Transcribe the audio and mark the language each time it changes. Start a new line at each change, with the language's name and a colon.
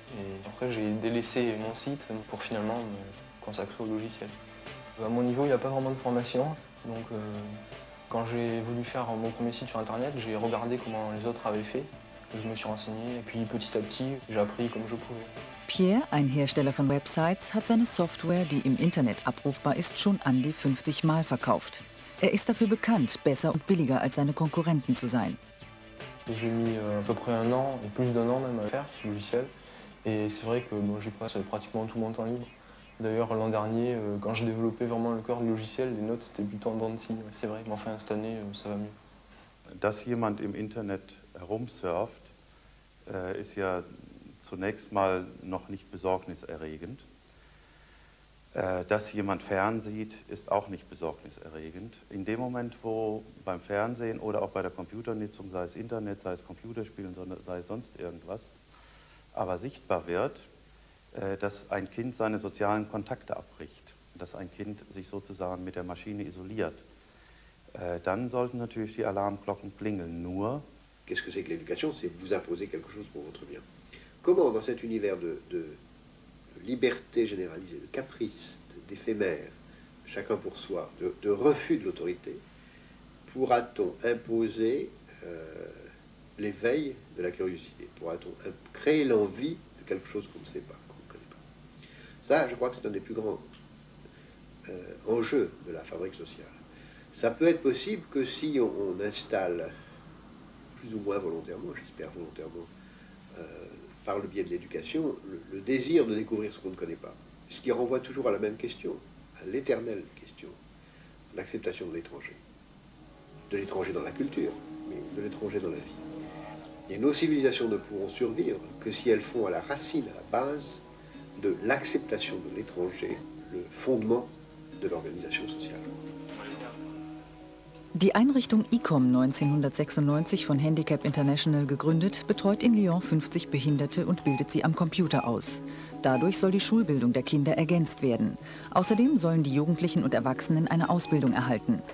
French: Et après, j'ai délaissé mon site pour finalement me consacrer au logiciel. À mon niveau, il n'y a pas vraiment de formation. Donc, quand j'ai voulu faire mon premier site sur Internet, j'ai regardé comment les autres avaient fait. Je me suis renseigné et puis petit à petit, j'ai appris comme je pouvais.
German: Pierre, ein Hersteller von Websites, hat seine Software, die im Internet abrufbar ist, schon an die 50 Mal verkauft. Er ist dafür bekannt, besser und billiger als seine Konkurrenten zu sein.
French: J'ai mis à peu près un an, et plus d'un an même, à faire ce logiciel. Et c'est vrai que bon, j'y passe pratiquement tout mon temps libre. D'ailleurs, l'an dernier, quand j'ai développé vraiment le cœur du logiciel, les notes étaient plutôt en dents de scie. C'est vrai, mais enfin, cette année, ça va mieux.
German: Dass jemand im Internet herumsurft, ist ja zunächst mal noch nicht besorgniserregend. Dass jemand fernsieht, ist auch nicht besorgniserregend. In dem Moment, wo beim Fernsehen oder auch bei der Computernutzung, sei es Internet, sei es Computerspielen, sei es sonst irgendwas, aber sichtbar wird, dass ein Kind seine sozialen Kontakte abbricht, dass ein Kind sich sozusagen mit der Maschine isoliert, dann sollten natürlich die Alarmglocken klingeln. Nur.
French: Qu'est-ce que c'est que l'éducation? C'est vous imposer quelque chose pour votre bien. Comment, dans cet univers de liberté généralisée, de caprice, d'éphémère, chacun pour soi, de refus de l'autorité, pourra-t-on imposer l'éveil de la curiosité? Pourra-t-on créer l'envie de quelque chose qu'on ne sait pas, qu'on ne connaît pas? Ça, je crois que c'est un des plus grands enjeux de la fabrique sociale. Ça peut être possible que si on installe, plus ou moins volontairement, j'espère volontairement, par le biais de l'éducation, le désir de découvrir ce qu'on ne connaît pas. Ce qui renvoie toujours à la même question, à l'éternelle question, l'acceptation de l'étranger. De l'étranger dans la culture, mais de l'étranger dans la vie. Et nos civilisations ne pourront survivre que si elles font à la racine, à la base, de l'acceptation de l'étranger, le fondement de l'organisation sociale.
German: Die Einrichtung ICOM, 1996 von Handicap International gegründet, betreut in Lyon 50 Behinderte und bildet sie am Computer aus. Dadurch soll die Schulbildung der Kinder ergänzt werden. Außerdem sollen die Jugendlichen und Erwachsenen eine Ausbildung erhalten.